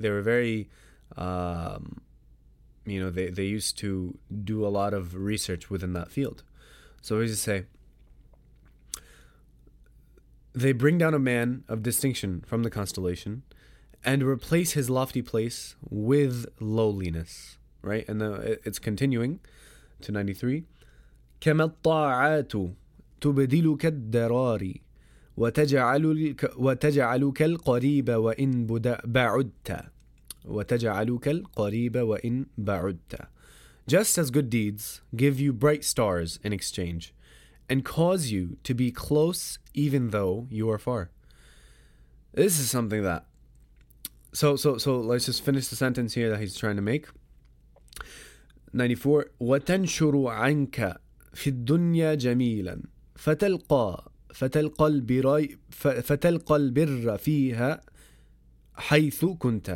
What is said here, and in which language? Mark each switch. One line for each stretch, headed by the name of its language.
English: They were very, they used to do a lot of research within that field. So what does he say? They bring down a man of distinction from the constellation and replace his lofty place with lowliness, right? And it's continuing to 93.
Arabic: كما الطاعات تبدلك الدراري وتجعلك القريب وإن بعدت وتجعلك القريب وإن بعدت.
English: Just as good deeds give you bright stars in exchange and cause you to be close even though you are far. This is something that... So let's just finish the sentence here that he's trying to make.
Arabic: 94. وَتَنْشُرُ عَنْكَ فِي الدُّنْيَا جَمِيلًا فَتَلْقَى الْبِرَّ فِيهَا حَيْثُ كُنْتَ.